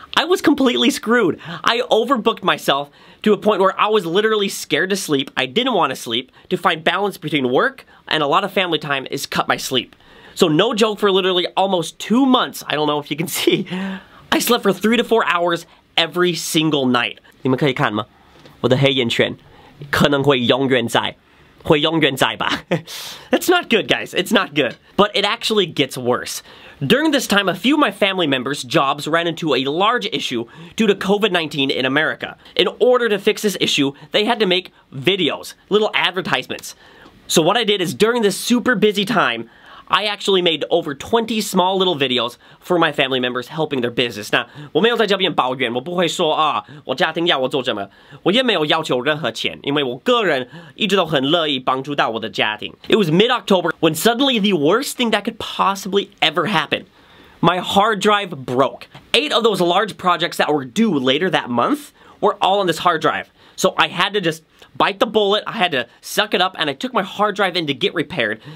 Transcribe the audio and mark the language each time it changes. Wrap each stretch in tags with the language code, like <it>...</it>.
<en>I was completely screwed. I overbooked myself to a point where I was literally scared to sleep. I didn't want to sleep. To find balance between work and a lot of family time is cut my sleep. So no joke, for literally almost 2 months, I don't know if you can see, I slept for 3 to 4 hours every single night.</en> <zh>你们可以看吗？我的黑眼圈可能会永远在。会永远在吧。</zh> <en>It's not good, guys. It's not good. But it actually gets worse. During this time, a few of my family members' jobs ran into a large issue due to COVID-19 in America. In order to fix this issue, they had to make videos, little advertisements. So what I did is, during this super busy time, I actually made over 20 small little videos for my family members helping their business.</en> <zh>那我没有在这边抱怨，我不会说啊，我家庭要我做什么，我也没有要求任何钱，因为我个人一直都很乐意帮助到我的家庭。</zh> <en>It was mid-October when suddenly the worst thing that could possibly ever happen. My hard drive broke. 8 of those large projects that were due later that month were all on this hard drive. So I had to just bite the bullet, I had to suck it up, and I took my hard drive in to get repaired.</en>